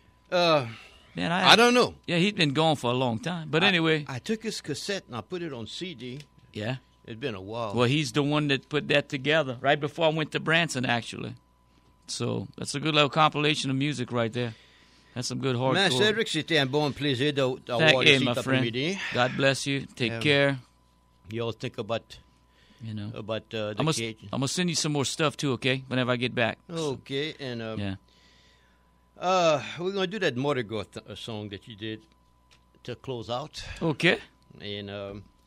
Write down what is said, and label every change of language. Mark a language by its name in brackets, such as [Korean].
[English] Man, I don't know. Yeah, he's been gone for a long time. But anyway. I took his cassette and I put it on CD. Yeah. It's been a while. Well, he's the one that put that together right before I went to Branson, actually. So that's a good little compilation of music right there. That's some good hardcore. [French] Man, Cedric, c'était un bon plaisir d'avoir ici l'après-midi. [English] God bless you. Take care. You all think about, you know, about the cage. I'm going to send you some more stuff, too, okay, whenever I get back. Okay. And yeah. We're going to do that Mordegoth song that you did to close out. Okay. And